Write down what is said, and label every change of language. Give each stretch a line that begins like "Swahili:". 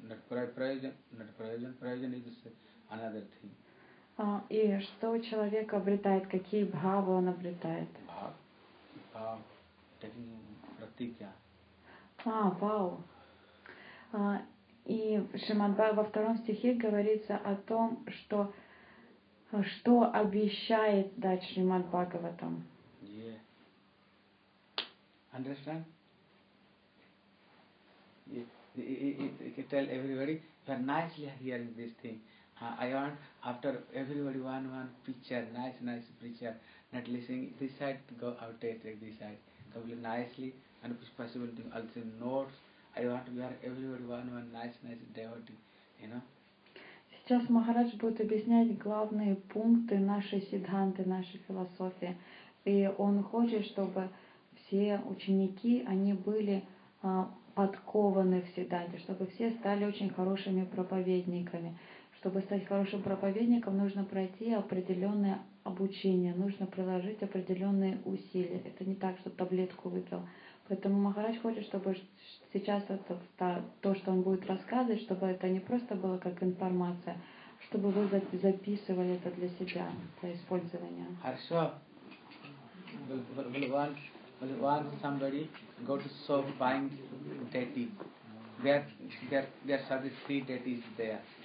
English: Prayojana is another thing.
Russian: И что человек обретает, какие бхавы он обретает?
English: Bhav, taking pratikya. Bhav.
Russian: И Шримад Бхагава во втором стихе говорится о том, что обещает дать Шримад Бхагаватам.
English: Understand? You tell everybody, you are nicely hearing this thing. I want, after everybody one picture, nice picture, not listening, this side go out, take this side. Completely nicely, and if possible, also notes. I want to hear everybody one nice devotee, you know.
Russian: Сейчас Махарадж будет объяснять главные пункты нашей сиддханты, нашей философии. И он хочет, чтобы все ученики, они были подкованы в седанте, чтобы все стали очень хорошими проповедниками. Чтобы стать хорошим проповедником, нужно пройти определенное обучение, нужно приложить определенные усилия. Это не так, что таблетку выпил. Поэтому Махарадж хочет, чтобы сейчас то, что он будет рассказывать, чтобы это не просто было как информация, чтобы вы записывали это для себя, для использования. Хорошо.
English: Well, once somebody go to shop buying deity, there are three deities there.